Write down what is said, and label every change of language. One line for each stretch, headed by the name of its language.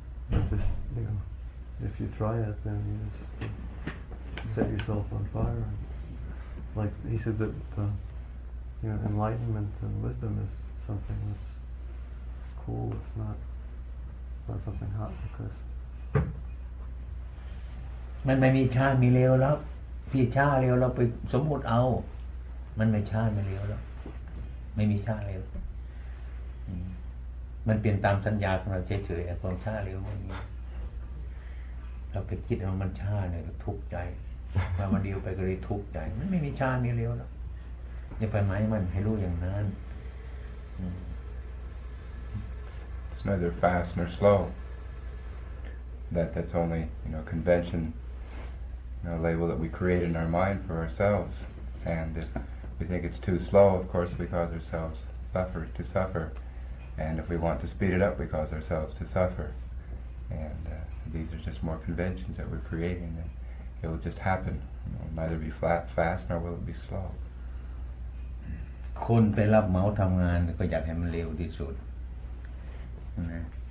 English: Just you know, if you try it, then you just set yourself on fire. And like he said that you know enlightenment and wisdom is something that's cool. It's not something hot because.
Thai: มันไม่มีช้ามีเร็วแล้วที่ช้าเร็วเราไปสมมติเอามันไม่ช้าไม่เร็วแล้วไม่มีช้าเร็วมันเปลี่ยนตามสัญญาของเราเฉยๆความช้าเร็วมันเราไปคิดว่ามันช้าเนี่ยทุกข์ใจพอมันเดียวไปก็เลยทุกข์ใจมันไม่มีช้ามีเร็วหรอกอย่าไปไม้มันให้รู้อย่างนั้น
English: It's neither fast nor slow that's only you know convention you know label that we create in our mind for ourselves and if we think it's too slow of course we cause ourselves to suffer And if we want to speed it up, we cause ourselves to suffer. And these are just more conventions that we're creating. And it will just happen. It will neither be flat, fast, nor will it be slow.
Thai: คนไปรับเหมาทำงานก็อยากให้มันเร็วที่สุดนะ